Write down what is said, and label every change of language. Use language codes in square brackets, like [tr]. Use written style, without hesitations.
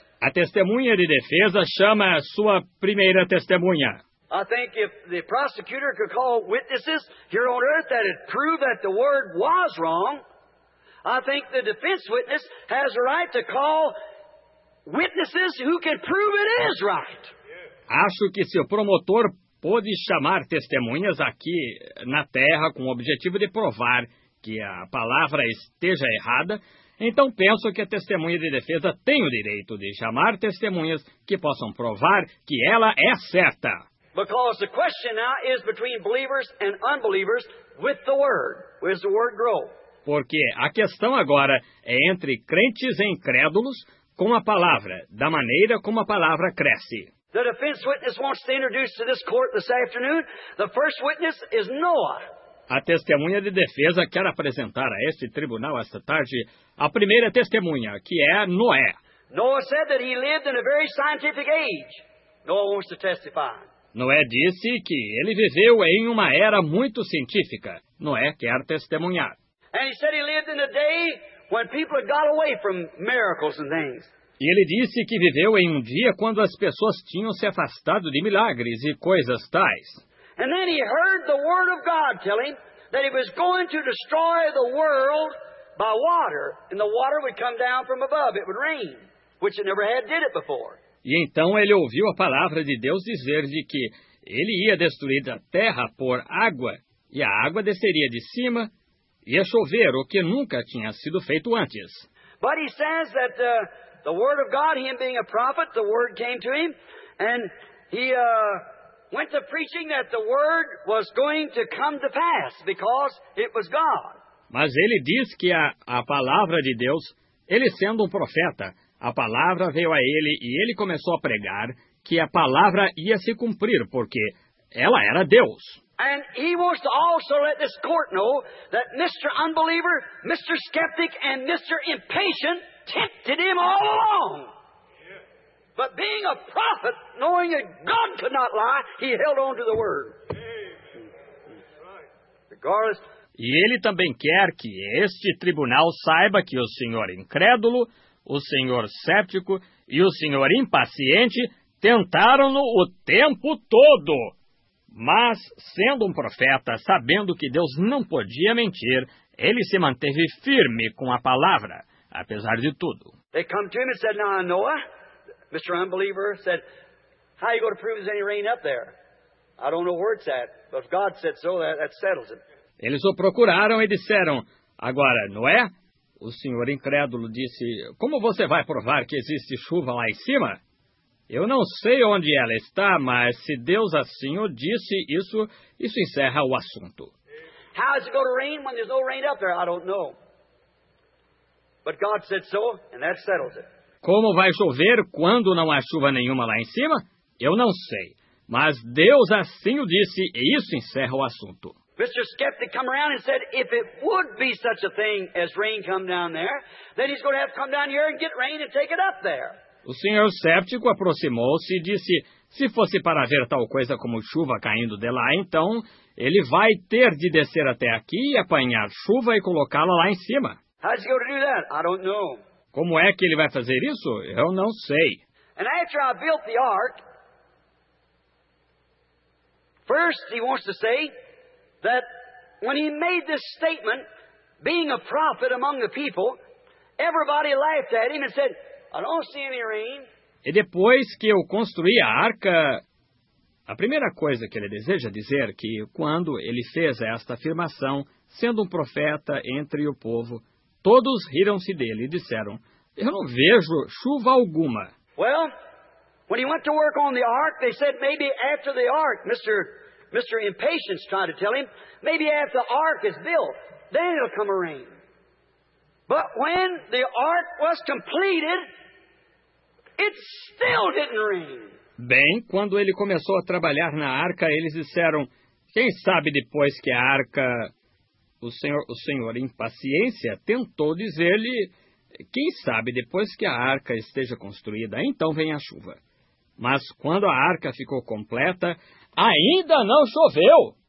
[pt] A testemunha de defesa chama a sua primeira testemunha. [en] I think if the prosecutor could call witnesses here on earth that had proved that the word was wrong, I think the defense witness has a right to call witnesses who can prove it is right. [pt] Acho que se o promotor pôde chamar testemunhas aqui na terra com o objetivo de provar que a palavra esteja errada, então penso que a testemunha de defesa tem o direito de chamar testemunhas que possam provar que ela é certa. [en] Because the question now is between believers and unbelievers with the word. Where's the word grow? [pt] Porque a questão agora é entre crentes e incrédulos com a palavra, da maneira como a palavra cresce. [en] The defense witness wants to introduce to this court this afternoon. The first witness is Noah. [pt] A testemunha de defesa quer apresentar a este tribunal esta tarde a primeira testemunha, que é Noé. [en] Noah said that he lived in a very scientific age. Noah wants to testify. [pt] Noé disse que ele viveu em uma era muito científica. Noé quer testemunhar. [en] And he said he lived in a day when people got away from miracles and things. [pt] E ele disse que viveu em um dia quando as pessoas tinham se afastado de milagres e coisas tais. [en] And then he heard the word of God tell him that he was going to destroy the world by water, and the water would come down from above. It would rain, which it never had did it before. [pt] E então ele ouviu a palavra de Deus dizer-lhe que ele ia destruir a terra por água, e a água desceria de cima, ia chover, o que nunca tinha sido feito antes. [en] But he says that the word of God, him being a prophet, the word came to him, and he went to preaching that the word was going to come to pass, because it was God. [pt] Mas ele diz que a palavra de Deus, ele sendo um profeta, a palavra veio a ele e ele começou a pregar que a palavra ia se cumprir, porque ela era Deus. [en] And he wants to also let this court know that Mr. Unbeliever, Mr. Skeptic, and Mr. Impatient tempted him all along. But being a prophet, knowing that God could not lie, he held on to the word. Regardless. [pt] E ele também quer que este tribunal saiba que o senhor incrédulo, o senhor cético e o senhor impaciente tentaram-no o tempo todo. Mas, sendo um profeta, sabendo que Deus não podia mentir, ele se manteve firme com a palavra, apesar de tudo. [en] They come to him and said, "Now, Noah, Mr. Unbeliever, said, how are you going to prove there's any rain up there? I don't know where it's at, but if God said so, that settles it." [pt] Eles o procuraram e disseram, "Agora, Noé, o senhor incrédulo disse, como você vai provar que existe chuva lá em cima? Eu não sei onde ela está, mas se Deus assim o disse, isso encerra o assunto." [en] How is it going to rain when there's no rain up there? I don't know. But God said so, and that settles it. [pt] Como vai chover quando não há chuva nenhuma lá em cima? Eu não sei. Mas Deus assim o disse, e isso encerra o assunto. [en] Mr. Skeptic come around and said, if it would be such a thing as rain come down there, then he's going to have to come down here and get rain and take it up there. [pt] O senhor cético aproximou-se e disse, se fosse para haver tal coisa como chuva caindo de lá, então ele vai ter de descer até aqui e apanhar chuva e colocá-la lá em cima. [en] How's he going to do that? I don't know. [pt] Como é que ele vai fazer isso? Eu não sei. [en] And after I built the ark, first he wants to say that when he made this statement, being a prophet among the people, everybody laughed at him and said, I don't see any rain. [pt] E depois que eu construí a arca, a primeira coisa que ele deseja dizer é que quando ele fez esta afirmação, sendo um profeta entre o povo, todos riram-se dele e disseram, eu não vejo chuva alguma. [en] Well, when he went to work on the ark, they said maybe after the ark, Mr. Impatience tried to tell him, maybe after the ark is built, then it'll come a rain. But when the ark was completed, it still didn't rain. [pt] Bem, quando ele começou a trabalhar na arca, eles disseram, quem sabe depois que a arca, o senhor Impaciência tentou dizer-lhe, quem sabe depois que a arca esteja construída, então vem a chuva. Mas quando a arca ficou completa, ainda não choveu.